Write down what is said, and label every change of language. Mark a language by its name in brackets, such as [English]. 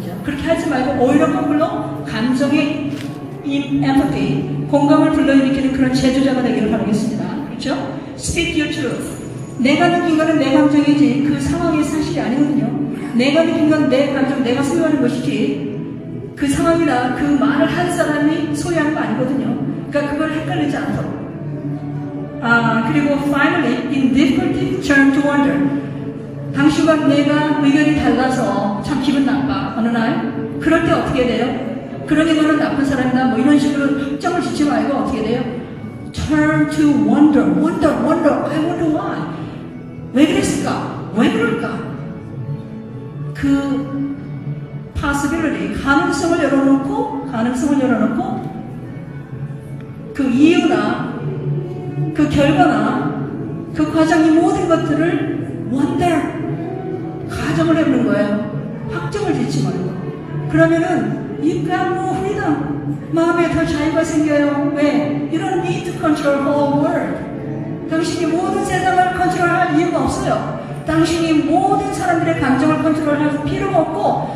[Korean] 그렇게 하지 말고 오히려 거꾸로 감정의 empathy, 공감을 불러일으키는 그런 제조자가 되기를 바라겠습니다. 그렇죠? [English] Speak your truth. [Korean] 내가 느낀 거는 내 감정이지 그 상황의 사실이 아니거든요. 내가 느낀 건 내 감정, 내가 소유하는 것이지 그 상황이나 그 말을 한 사람이 소유하는 거 아니거든요. 그러니까 그걸 헷갈리지 않도록. 아 그리고 [English] finally, in difficulty, turn to wonder. [Korean] 당신과 내가 의견이 달라서 참 기분 나빠 어느 날 그럴 때 어떻게 돼요? 그러니 너는 나쁜 사람이다 뭐 이런 식으로 확정을 짓지 말고 어떻게 돼요? [English] Turn to wonder, wonder, wonder, I wonder why. [Korean] 왜 그랬을까? 왜 그럴까? 그 possibility, 가능성을 열어놓고, 가능성을 열어놓고, 그 이유나, 그 결과나, 그 과정이 모든 것들을 원대 가정을 해보는 거예요. 확정을 짓지 말고. 그러면은, 입가 뭐 후리다. 마음에 더 자유가 생겨요. 왜? [English] You don't need to control the whole world. [Korean] 당신이 모든 세상을 컨트롤할 이유가 없어요. 당신이 모든 사람들의 감정을 컨트롤할 필요가 없고,